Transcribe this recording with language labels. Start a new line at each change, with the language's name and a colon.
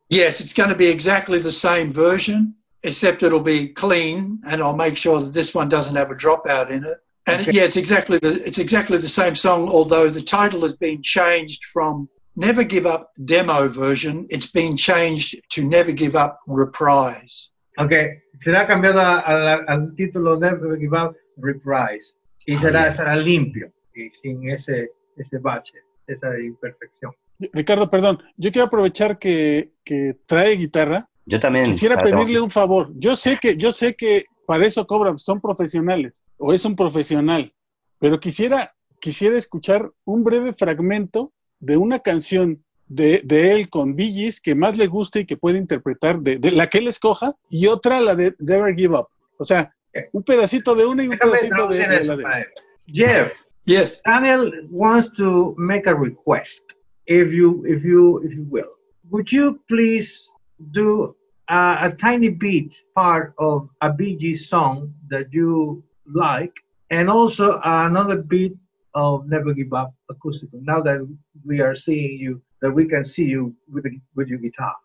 English: yes, it's going to be exactly the same version, except it'll be clean, and I'll make sure that this one doesn't have a dropout in it. And okay. Yeah, it's exactly the same song, although the title has been changed from Never Give Up demo version, it's been changed to Never Give Up reprise.
Spanish: Okay, será cambiado al título Never Give Up reprise. Y será limpio y sin ese bache, esa imperfección. Ricardo, perdón, yo quiero aprovechar que trae guitarra. Yo también. Quisiera pedirle un favor. Yo sé que para eso cobran, son profesionales, o es un profesional, pero quisiera escuchar un breve fragmento de una canción de él con Bee Gees que más le guste y que puede interpretar, de la que él escoja, y otra, la de Never Give Up. O sea, un pedacito de una y un pedacito de la de él. Jeff,
English: yes. Daniel wants to make a request, if you will. Would you please do a tiny bit part of a Bee Gees song that you like, and also another bit of Never Give Up acoustical, now that we are seeing you, that we can see you with your guitar?